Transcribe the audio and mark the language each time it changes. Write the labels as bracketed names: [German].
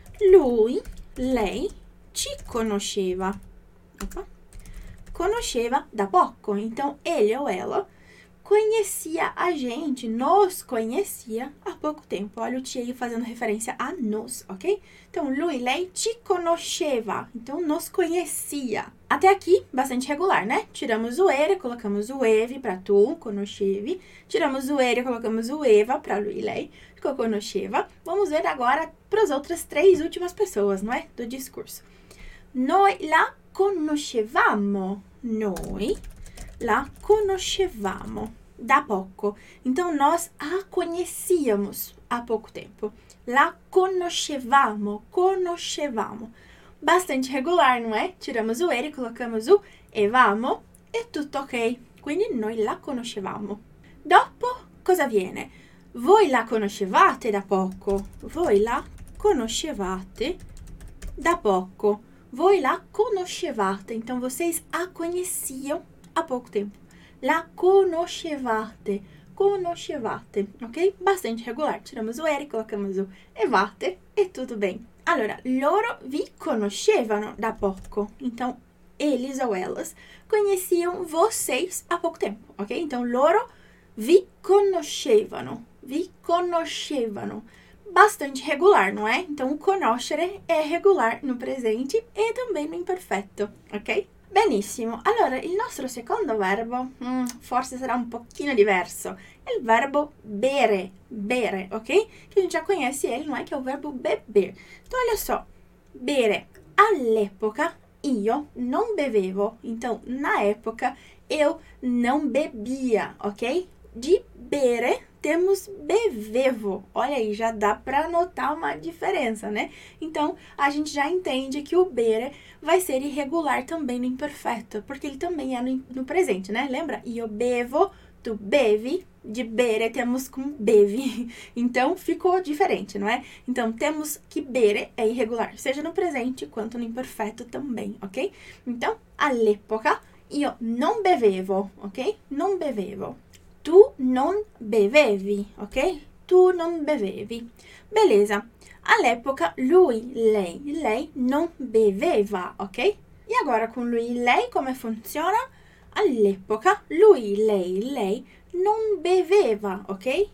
[Italian] Lui, lei, ci conosceva. Opa. Conosceva da poco. [Portuguese] Então ele ou ela conhecia a gente, nos conhecia há pouco tempo. Olha o ti aí fazendo referência a nos, ok? [Italian] Então, lui, lei, ci conosceva. [Portuguese] Então, nos conhecia. Até aqui, bastante regular, né? Tiramos o ere, colocamos o evi para tu, conoscevi. Tiramos o ere, colocamos o eva para lui, lei. Ficou conosceva. Vamos ver agora para as outras três últimas pessoas, não é? Do discurso. [Italian] Noi la conoscevamo. Noi la conoscevamo. Da poco. [Portuguese] Então, nós a conhecíamos há pouco tempo. [Italian] La conoscevamo. Conoscevamo. [Portuguese] Bastante regular, não é? Tiramos o ere, colocamos o evamo [Italian] e tutto ok. Quindi, noi la conoscevamo. Dopo, cosa viene? Voi la conoscevate da poco. Voi la conoscevate da poco. Voi la conoscevate. [Portuguese] Então, vocês a conheciam há pouco tempo. [Italian] La conoscevate, conoscevate, [Portuguese] ok? Bastante regular. Tiramos o ere, colocamos o evate e tudo bem. [Italian] Allora, loro vi conoscevano da poco. [Portuguese] Então, eles ou elas conheciam vocês há pouco tempo, ok? [Italian] Então, loro vi conoscevano, vi conoscevano. [Portuguese] Bastante regular, não é? Então, o conoscere é regular no presente e também no imperfeito, ok? [Italian] Benissimo, allora il nostro secondo verbo forse sarà un pochino diverso. È il verbo bere, bere, ok? Che già conosci, non è che è un verbo beber. Tu lo so, bere. All'epoca io non bevevo, [Portuguese] então na época eu não bebia, ok? Di bere. Temos bevevo. Olha aí, já dá para notar uma diferença, né? Então, a gente já entende que o bere vai ser irregular também no imperfeito, porque ele também é no presente, né? Lembra? [Italian] Io bevo, tu bevi, [Portuguese] de bere temos com bevi. Então, ficou diferente, não é? Então, temos que bere é irregular, seja no presente quanto no imperfeito também, ok? [Italian] Então, all'epoca io non bevevo, ok? Non bevevo. Tu non bevevi, ok? Tu non bevevi. Beleza. All'epoca lui, lei non beveva, ok? [Portuguese] E agora [Italian] con lui, lei come funziona? All'epoca lui, lei non beveva, ok?